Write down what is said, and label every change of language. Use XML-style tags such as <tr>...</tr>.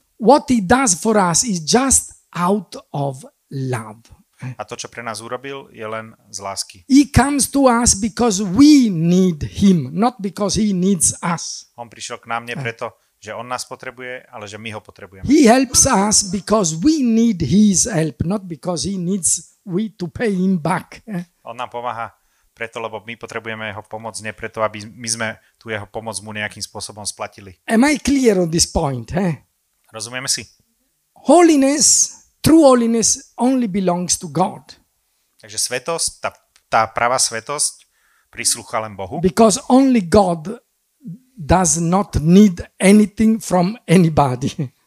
<en>What he does for us is just out of love.</en> <sk>A to, čo pre nás urobil, je len z lásky.</sk> <en>He comes to us because we need him, not because he needs us.</en> <sk>On prišiel k nám nie preto, že on nás potrebuje, ale že my ho potrebujeme.</sk> <en>He helps us because we need his help, not because he needs we to pay him back.</en> <sk>On nám pomáha preto, lebo my potrebujeme jeho pomoc, nie preto, aby my sme tú jeho pomoc mu nejakým spôsobom splatili.</sk> <en>Am I clear on this point?</en> <sk>Rozumieme si?</sk> <en>Holiness, true holiness only belongs to God.</en> <sk>Takže svetosť, tá pravá svetosť prislúcha len Bohu.</sk> <en>Because only God does not need anything from anybody.</en>